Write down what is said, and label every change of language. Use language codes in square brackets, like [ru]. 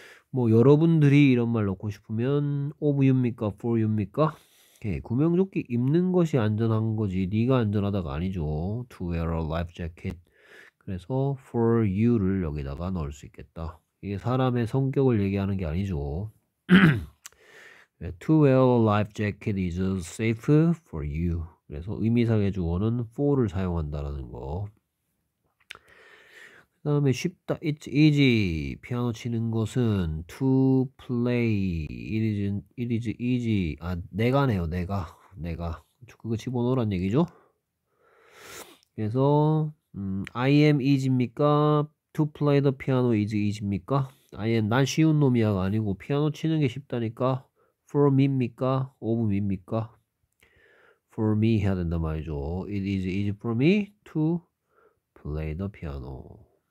[ko] 뭐 여러분들이 이런 말 넣고 싶으면 [en] of you [ko] 입니까? [en] for you [ko] 입니까? 오케이. 구명조끼 입는 것이 안전한 거지. 네가 안전하다가 아니죠. [en] to wear a life jacket. [ko] 그래서 [en] for you [ko] 를 여기다가 넣을 수 있겠다. 이게 사람의 성격을 얘기하는 게 아니죠. [en] To wear a life jacket is safe for you. [ko] 그래서 의미상의 주어는 for를 사용한다라는 거. 그다음에 쉽다. [en] It's easy. [ko] 피아노 치는 것은 [en] to play. It is easy. [ko] 아, 내가네요. 내가. 그거 집어넣으란 얘기죠. 그래서 [en] I am easy입니까? To play the piano is easy입니까? I am [ko] 난 쉬운 놈이야가 아니고 피아노 치는 게 쉽다니까. [en] For me입니까? Of me입니까? For me [ko] 해야 된단 말이죠. [en] It is easy for me to play the piano.